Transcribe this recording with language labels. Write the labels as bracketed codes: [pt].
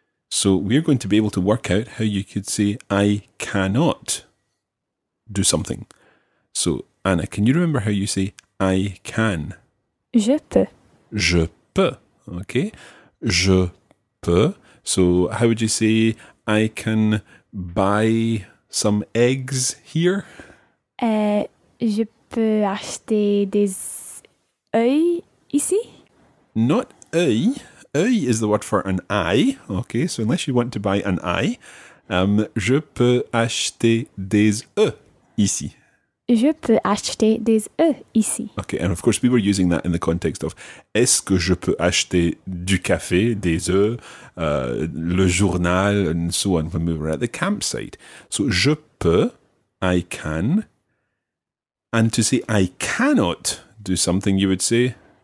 [en] So we're going to be able to work out how you could say, I cannot do something. So, Anna, can you remember how you say, I can? [fr] Je peux. Je peux. Okay. Je peux. [en] So how would you say, I can buy some eggs here? [fr] Je peux acheter des œufs ici? [en] Not œufs. Œil is the word for an eye, okay? So unless you want to buy an eye, [fr] je peux acheter des œufs ici. Je peux acheter des œufs ici. [en] Okay, and of course we were using that in the context of [fr] est-ce que je peux acheter du café, des œufs, le journal, [en] and so on when we were at the campsite. So [fr] je peux, [en] I can. And to say I cannot do something, you would say